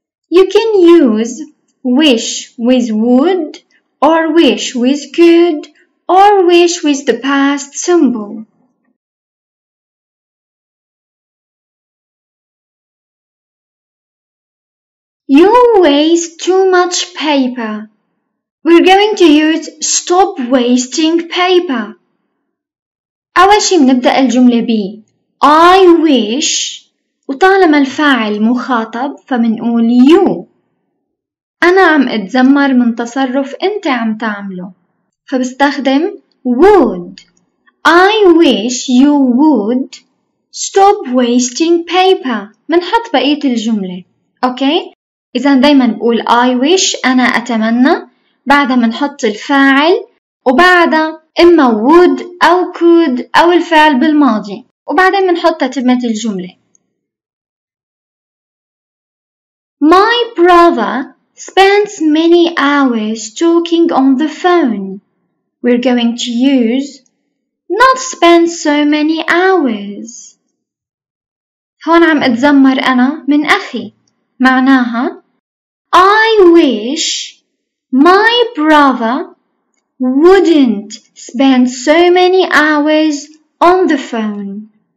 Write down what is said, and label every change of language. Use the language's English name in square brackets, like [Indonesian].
[English] You can use wish with would, or wish with could, or wish with the past symbol. You waste too much paper. We're going to use stop wasting paper. [Arabic] أول شيء بنبدأ الجملة ب [English] I wish، [Arabic] وطالما الفاعل مخاطب فمنقول you. أنا عم أتذمر من تصرف أنت عم تعمله، فبستخدم would. [English] I wish you would stop wasting paper. [Arabic] منحط بقية الجملة، أوكي؟ إذا دايما بقول [English] I wish، [Arabic] أنا أتمنى، بعدها منحط الفاعل، وبعدها إما would أو could أو الفعل بالماضي، وبعدين منحط تتمة الجملة. [English] My brother spends many hours talking on the phone. We're going to use not spend so many hours. [Arabic] هون عم أتذمر أنا من أخي، معناها [English] I wish my brother wouldn't spend so many hours on the phone.